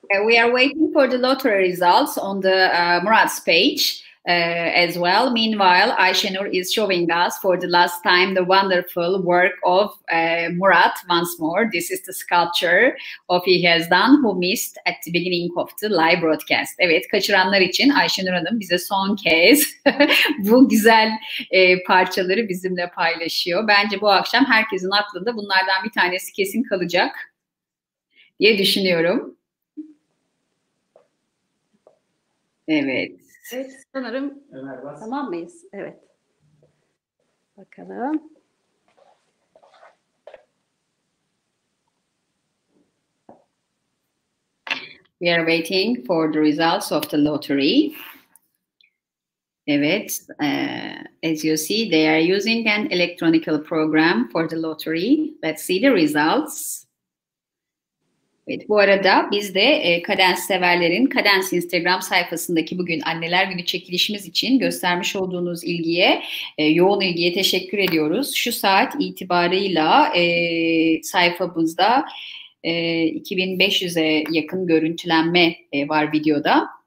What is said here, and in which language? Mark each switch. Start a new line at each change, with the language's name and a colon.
English: We are waiting for the lottery results on the Murat's page as well. Meanwhile, Ayşenur is showing us for the last time the wonderful work of Murat once more. This is the sculpture of he has done who missed at the beginning of the live broadcast.
Turkish: Evet, kaçıranlar için Ayşenur Hanım bize son kez bu güzel parçaları bizimle paylaşıyor. Bence bu akşam herkesin aklında bunlardan bir tanesi kesin kalacak diye düşünüyorum. Evet. Evet, sanırım tamam mıyız? Evet. Bakalım.
English: We are waiting for the results of the lottery. Evet, as you see, they are using an electronic program for the lottery. Let's see the results.
Turkish: Evet, bu arada biz de Kadens severlerin Kadens Instagram sayfasındaki bugün Anneler Günü çekilişimiz için göstermiş olduğunuz ilgiye, yoğun ilgiye teşekkür ediyoruz. Şu saat itibarıyla sayfamızda 2500'e yakın görüntülenme var videoda.